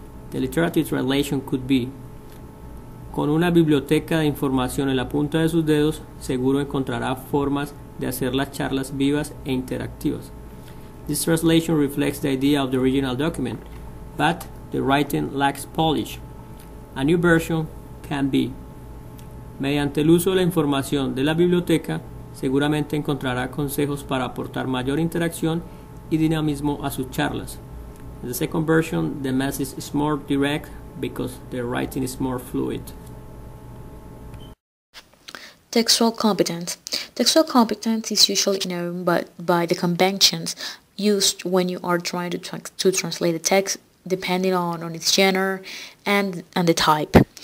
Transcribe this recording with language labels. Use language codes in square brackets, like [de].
[en] The literary translation could be: [es] Con una biblioteca de información en la punta de sus dedos, seguro encontrará formas de hacer las charlas vivas e interactivas. [en] This translation reflects the idea of the original document, but the writing lacks polish. A new version can be: [es] Mediante el uso de la información de la biblioteca, seguramente encontrará consejos para aportar mayor interacción y dinamismo a sus charlas. [en] In the second version, the message is more direct because the writing is more fluid. Textual competence. Textual competence is usually known by the conventions used when you are trying to translate a text, depending on its genre and the type.